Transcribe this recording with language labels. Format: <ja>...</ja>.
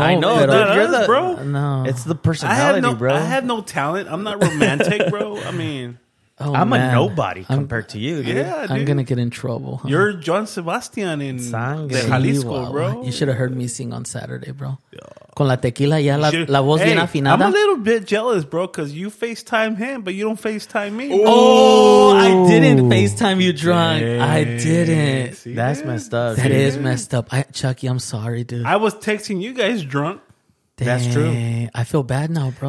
<en>I know, but you're the bro. No, it's the personality, bro. I have no talent. I'm not romantic, bro. I mean, Oh, I'm man. A nobody compared to you, dude. Yeah, dude. I'm going to get in trouble. Huh? You're John Sebastian in Sangre. Jalisco, bro. You should have heard me sing on Saturday, bro.</en> <es>Con la tequila ya la voz bien afinada.</es> <en>I'm a little bit jealous, bro, because you FaceTime him, but you don't FaceTime me. Oh, I didn't FaceTime you drunk. Yeah. I didn't. See, that's messed up. That is messed up. Chucky, I'm sorry, dude. I was texting you guys drunk. Dang. That's true. I feel bad now, bro.</en>